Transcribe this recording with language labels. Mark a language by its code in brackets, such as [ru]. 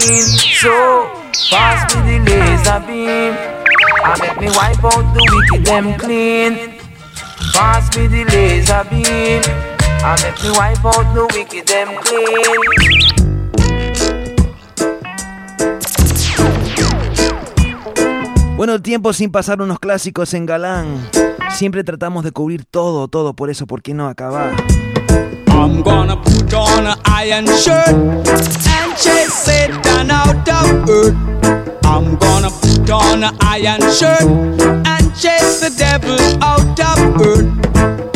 [en] So pass me the laser beam. I make me wipe out the wicked them clean. Pass me the laser beam. I make me wipe out the wicked them clean. [es] Bueno, el tiempo sin pasar unos clásicos en Galán. Siempre tratamos de cubrir todo, todo, por eso, ¿por qué no acabar? [en] I'm gonna put on an iron shirt and chase Satan out of earth. I'm gonna put on an iron shirt and chase the devil out of earth.